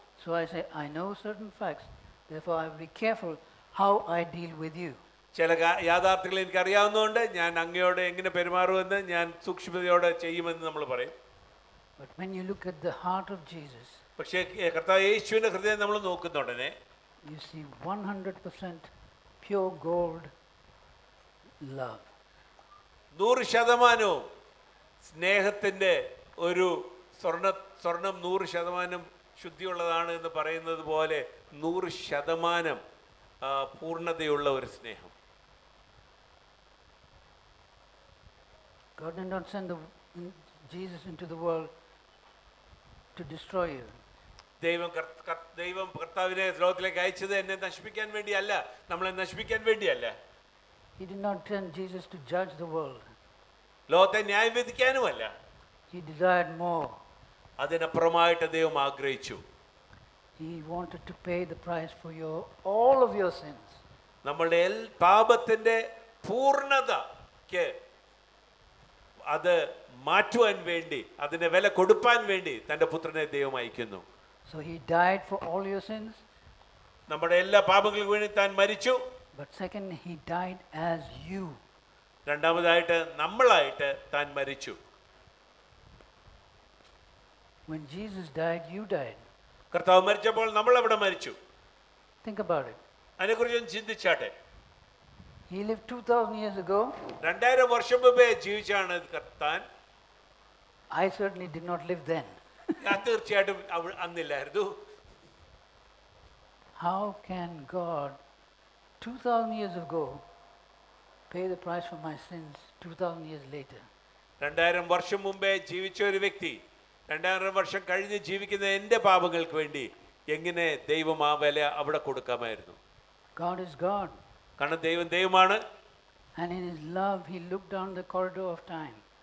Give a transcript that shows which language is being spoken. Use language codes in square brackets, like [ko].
[en] So I say I know certain facts, therefore I will be careful how I deal with you. [ml] ചില യാഥാർത്ഥ്യങ്ങൾ എനിക്കറിയാവുന്നതുകൊണ്ട് ഞാൻ അങ്ങയോട് എങ്ങനെ പെരുമാറുമെന്ന് ഞാൻ സൂക്ഷ്മതയോടെ ചെയ്യുമെന്ന് നമ്മൾ പറയും. [en] But when you look at the heart of Jesus, [ml] പക്ഷേ കർത്താവ് യേശുവിന്റെ ഹൃദയം നമ്മൾ നോക്കുന്ന ഉടനെ [en] you see 100% pure gold love. [ml] 100% സ്നേഹത്തിന്റെ ഒരു സ്വർണം 100% ശുദ്ധിയുള്ളതാണ് എന്ന് പറയുന്നത് പോലെ 100% പൂർണതയുള്ള ഒരു സ്നേഹം. [en] God did not send Jesus into the world to destroy you. [ml] ദൈവം കർത്താവിനെ ലോകത്തിലേക്ക് അയച്ചത് എന്നെ നശിപ്പിക്കാൻ വേണ്ടിയല്ല, നമ്മളെ നശിപ്പിക്കാൻ വേണ്ടിയല്ല. [en] He did not send Jesus to judge the world. [ml] ലോകത്തെ ന്യായം വിധിക്കാനുമല്ല. [en] He desired more. [ml] അതിനപ്പുറമായിട്ട് ദൈവം ആഗ്രഹിച്ചു. [en] He wanted to pay the price for all of your sins. [ml] നമ്മുടെ പാപത്തിന്റെ പൂർണതയ്ക്ക് അത് മാറ്റുവാൻ വേണ്ടി, അതിനെ വില കൊടുപ്പാൻ വേണ്ടി തന്റെ പുത്രനെ ദൈവം അയക്കുന്നു. [en] So he died for all your sins. [ml] നമ്മുടെ എല്ലാ പാപങ്ങൾക്കും വേണ്ടി താൻ മരിച്ചു. [en] But second, he died as you. [ml] രണ്ടാമതായിട്ട് നമ്മളായിട്ട് താൻ മരിച്ചു. [en] When Jesus died, you died. [ml] കർത്താവ് മരിച്ചപ്പോൾ നമ്മൾ എവിടെ മരിച്ചു? [en] Think about it. [ml] അതിനെക്കുറിച്ച് ഒന്ന് ചിന്തിച്ചാട്ടെ. [en] He lived 2000 years ago. [ml] 2000 വർഷം മുമ്പേ ജീവിച്ചാണ് കർത്താൻ. [en] I certainly did not live then. [ml] തീർച്ചയായിട്ടും അന്നില്ലായിരുന്നു. [en] How can God 2000 years ago pay the price for my sins 2000 years later? [ml] 2000 വർഷം മുമ്പേ ജീവിച്ച ഒരു വ്യക്തി 2000 വർഷം കഴിഞ്ഞ് ജീവിക്കുന്ന എൻ്റെ പാപങ്ങൾക്ക് വേണ്ടി എങ്ങനെ ദൈവം ആ വില അവിടെ കൊടുക്കാമായിരുന്നു? [en] God is God. [ml] കാരണം ദൈവം ദൈവമാണ്. [en] And in his love he looked down the corridor of time.